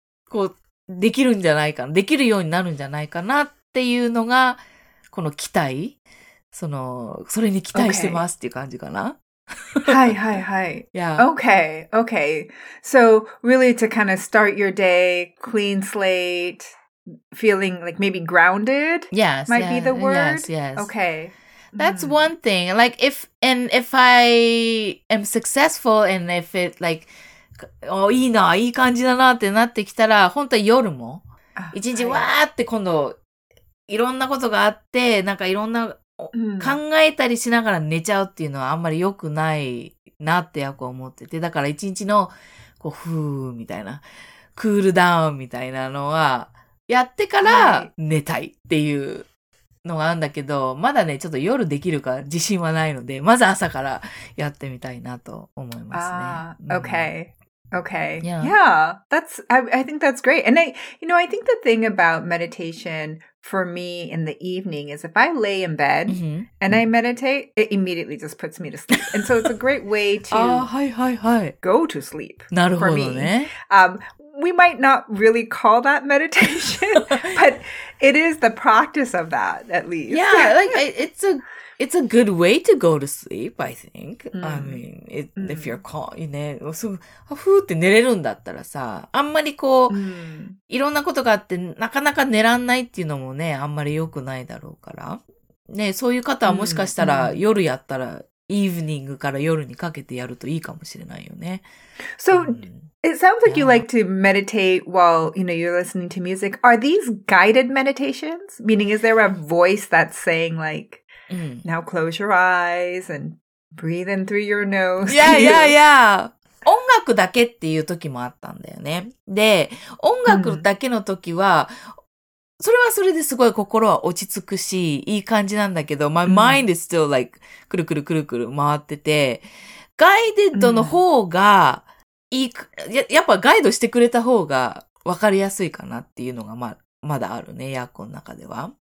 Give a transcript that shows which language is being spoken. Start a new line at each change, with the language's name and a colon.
Japanese: こう、できるんじゃないかな、できるようになるんじゃないかなっていうのが、この期待、それに期待してますっていう感じかな。 Okay. はいはいはい。
English: Yeah. Okay, okay. So, really to kind of start your day clean slate, feeling like maybe grounded? Yes. Might yeah, be the word? Yes, yes. Okay. That's one thing. Like, if I am successful and if it like,
Japanese: いいな、いい感じだなってなってきたら、本当は夜も、一日わーって今度、いろんなことがあって、なんかいろんな、考えたりしながら寝ちゃうっていうのはあんまり良くないなってやっぱ思ってて、だから一日の、こう、ふーみたいな、クールダウンみたいなのは、やってから寝たいっていうのがあるんだけど、まだね、ちょっと夜できるか自信はないので、まず朝からやってみたいなと思いますね。
English: Okay. Okay. Yeah. That's, I think that's great. And I think the thing about meditation for me in the evening is if I lay in bed and I meditate, it immediately just puts me to sleep. And so it's a great way to
Japanese: はいはい、はい、
English: go to sleep
Japanese: なるほど、ね、
English: for me. we might not really call that meditation, but it is the practice of that, at least. Yeah, like, it's a good way to go to sleep, I think. Mm-hmm. I mean, if you're calm, you know, so,
Japanese: ふーって寝れるんだったらさ、あんまりこう、いろんなことがあって、なかなか寝らんないっていうのもね、あんまり良くないだろうから。ね、そういう方はもしかしたら、夜やったら、evening から夜にかけてやるといいかもしれないよね。
English: So, it sounds like you like to meditate while, you know, you're listening to music. Are these guided meditations? Meaning, is there a voice that's saying like, now close your eyes and breathe in through your nose? Yeah, yeah, yeah.
Japanese: 音楽だけっていう時もあったんだよね。で、音楽だけの時は、それはそれですごい心は落ち着くし、いい感じなんだけど、
English: my mind is still like,
Japanese: くるくるくるくる回ってて、ガイデッドの方が、いい、やっぱガイドしてくれた方が分かりやすいかなっていうのがまだあるね、ヤコの中では。